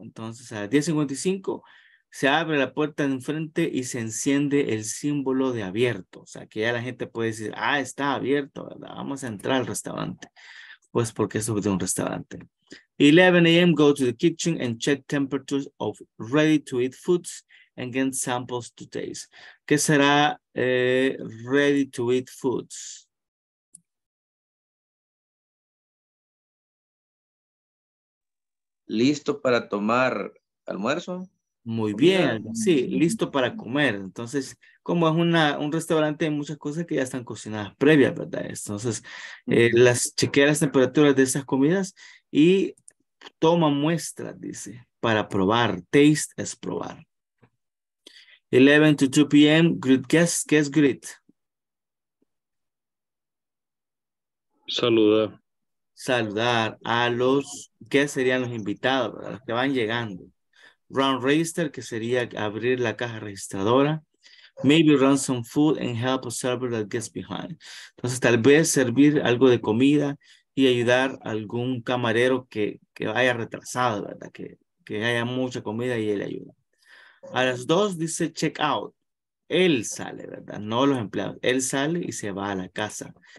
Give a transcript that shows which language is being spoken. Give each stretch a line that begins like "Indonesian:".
Spanish: Entonces a 10:55 se abre la puerta de enfrente y se enciende el símbolo de abierto. O sea que ya la gente puede decir, está abierto, ¿verdad? Vamos a entrar al restaurante. Pues porque es de un restaurante. 11 a.m.
English: go to the kitchen and check temperatures of ready to eat foods and get samples to taste.
Spanish: ¿Qué será
English: ready to eat foods?
Spanish: ¿Listo para tomar almuerzo? Muy bien, sí, listo para comer. Entonces, como es un restaurante, hay muchas cosas que ya están cocinadas previas, ¿verdad? Entonces, las chequea las temperaturas de esas comidas y toma muestras, dice, para probar.
English: Taste
Spanish: es probar.
English: 11 to 2 p.m., greet guests.
Spanish: ¿Qué es
English: greet?
Spanish: Saludar a los que serían los invitados, ¿verdad? Los que van llegando.
English: Run register,
Spanish: que sería abrir la caja registradora.
English: Maybe run some food and help a server that gets behind.
Spanish: Entonces, tal vez servir algo de comida y ayudar a algún camarero que vaya retrasado, ¿verdad? Que haya mucha comida y él ayuda. A las 2 dice
English: check out.
Spanish: Él sale, ¿verdad? No los empleados. Él sale y se va a la casa.